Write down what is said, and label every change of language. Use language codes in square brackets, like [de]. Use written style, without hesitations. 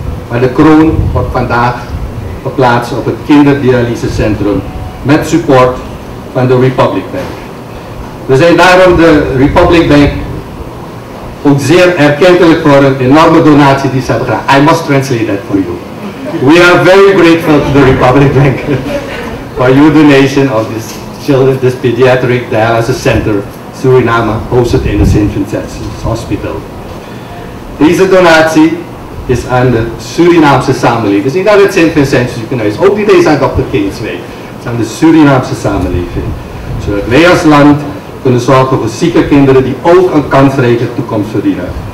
[nl] Maar de kroon wordt vandaag geplaatst op het kinderdialysecentrum met support van de Republiek Bank. We zijn daarom de Republiek Bank ook zeer erkentelijk voor een enorme donatie die ze hebben gedaan. [en] I must translate that for you. We are very grateful to the Republiek Bank for your donation of this children, this pediatric dialysis center, Suriname, hosted in the St. Vincent's Hospital. [nl] Deze donatie is aan de Surinaamse samenleving. Dus niet aan het St. Vincent's ziekenhuis, ook niet eens aan Dr. Kingsway. Het is aan de Surinaamse samenleving. Zodat wij als land kunnen zorgen voor zieke kinderen die ook een kansrijke toekomst verdienen.